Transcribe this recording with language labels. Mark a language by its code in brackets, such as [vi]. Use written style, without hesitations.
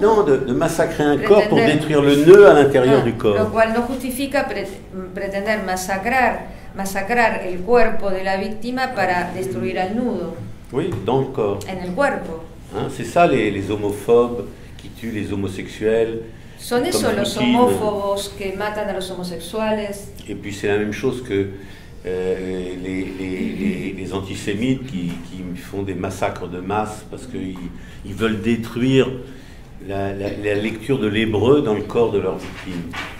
[fr] Non, de massacrer un corps pour détruire le nœud à l'intérieur du corps. [es] Lo cual no justifica pretender massacrer el cuerpo de la víctima para destruir al nudo. [fr] Oui, dans le corps. [es] En el cuerpo. [fr] Hein, c'est ça les homophobes qui tuent les homosexuels. [es] Son esos los homófobos que matan a los homosexuales. [fr] Et puis c'est la même chose que les antisémites qui font des massacres de masse parce qu'ils veulent détruire la lecture de l'hébreu dans le corps de leurs victimes.